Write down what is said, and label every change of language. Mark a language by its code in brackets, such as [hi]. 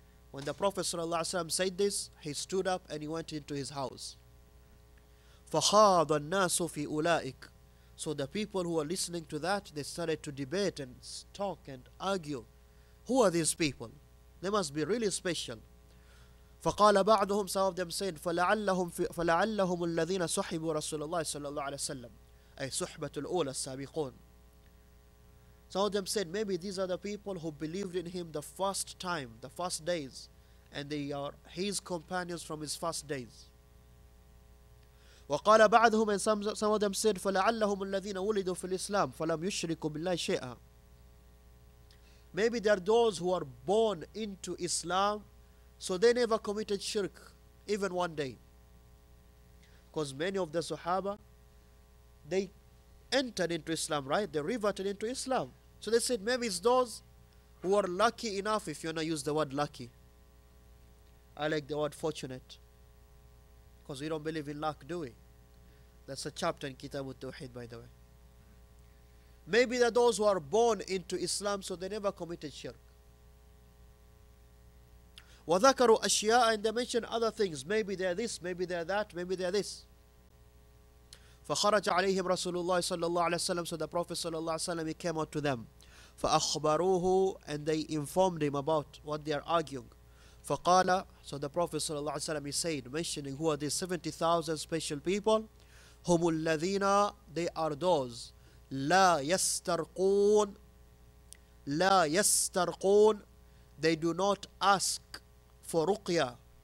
[en] When the Prophet صلى الله عليه وسلم said this, he stood up and he went into his house. [ar] فخاض الناس في أولئك. [en] So the people who were listening to that, they started to debate and talk and argue. Who are these people? They must be really special. [ar] فقال بعضهم, [en] some of them said, [ar] فلعلهم الذين سحبوا رسول الله صلى الله عليه وسلم, أي سحبة الأولى السابقون. [en] Some of them said, maybe these are the people who believed in him the first time, the first days, and they are his companions from his first days. [ar] وقال بعضهم, [en] and some of them said, [ar] فلعلهم الذين ولدوا في الإسلام فلم يشركوا بالله شيئا. [en] Maybe they are those who are born into Islam, so they never committed shirk, even one day. Because many of the Sahaba, they entered into Islam, right? They reverted into Islam. So they said, maybe it's those who are lucky enough, if you want to use the word lucky, I like the word fortunate, because we don't believe in luck, do we? That's a chapter in Kitab al-Tawheed, by the way. Maybe that those who are born into Islam, so they never committed shirk. [ar] وَذَكَرُوا أَشْيَاءَ, [en] and they mention other things. Maybe they're this, maybe they're that, maybe they're this. [ar] فَخَرَجَ عَلَيْهِمْ رَسُولُ اللَّهِ صَلَّى اللَّهُ عَلَيْهِ وَسَلَّمُ, [en] so the Prophet صلى الله عليه وسلم, he came out to them. [ar] فَأَخْبَرُوهُ, [en] and they informed him about what they are arguing. فَقَالَ, so the Prophet صلى الله عليه وسلم, he said, mentioning who are these 70,000 special people. [ar] هُمُ الَّذِينَ, [en] they are those. [ar] لَا يَسْتَرْقُونَ, لَا يَسْتَرْقُونَ, [en] they do not ask for ruqya.